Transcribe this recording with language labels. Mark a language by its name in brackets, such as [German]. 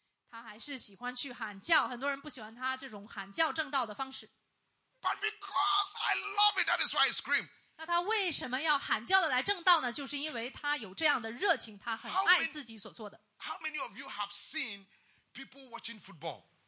[Chinese] 他还是喜欢去喊叫，很多人不喜欢他这种喊叫正道的方式。 [English] But because I love it, that is why I scream. [Chinese] 那他为什么要喊叫的来正道呢？就是因为他有这样的热情，他很爱自己所做的。 [English] How many of you have seen people watching football?